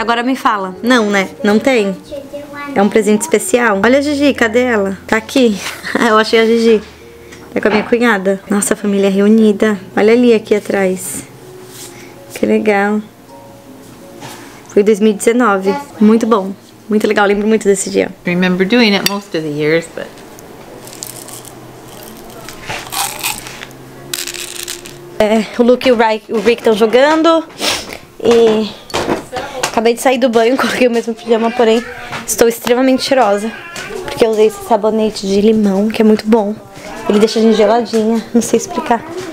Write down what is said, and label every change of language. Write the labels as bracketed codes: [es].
[pt] Agora me fala. Não, né? Não tem? É um presente especial? Olha a Gigi, cadê ela? Tá aqui. Eu achei a Gigi. Tá com a minha cunhada. Nossa, a família reunida. Olha ali, aqui atrás. Que legal. Foi 2019. Muito bom. Muito legal, lembro muito desse dia. [en] Remember doing it most of the years, but... [pt] É, o Luke e o Rick estão jogando. E... acabei de sair do banho, coloquei o mesmo pijama, porém... estou extremamente cheirosa. Porque eu usei esse sabonete de limão, que é muito bom. Ele deixa a gente geladinha, não sei explicar.